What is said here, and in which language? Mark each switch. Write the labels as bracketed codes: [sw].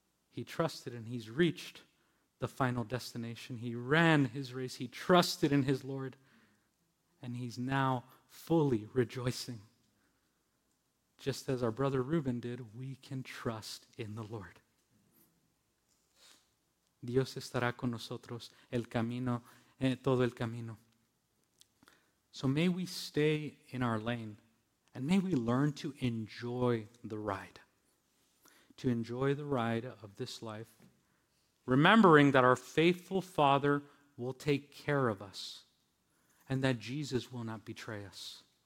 [en] He trusted and he's reached the final destination. He ran his race. He trusted in his Lord. And he's now fully rejoicing. Just as our brother Reuben did, we can trust in the Lord. [es] Dios estará con nosotros el camino, todo el camino. [en] So may we stay in our lane and may we learn to enjoy the ride. To enjoy the ride of this life, remembering that our faithful Father will take care of us and that Jesus will not betray us.